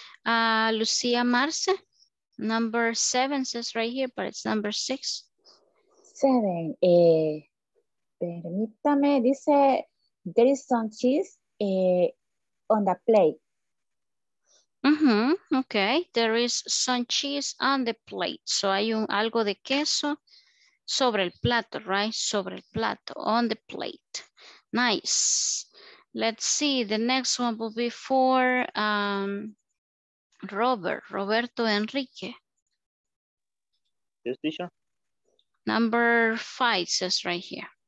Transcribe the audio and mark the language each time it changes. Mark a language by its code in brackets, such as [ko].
[en] Lucia Marce, number seven says right here, but it's number six. Seven. [es] Permítame, dice, [en] there is some cheese on the plate. Mm-hmm. Okay, there is some cheese on the plate. [es] So hay un algo de queso sobre el plato, right? Sobre el plato, [en] on the plate. Nice. Let's see, the next one will be for Roberto Enrique. Yes, Tisha. Number five says right here.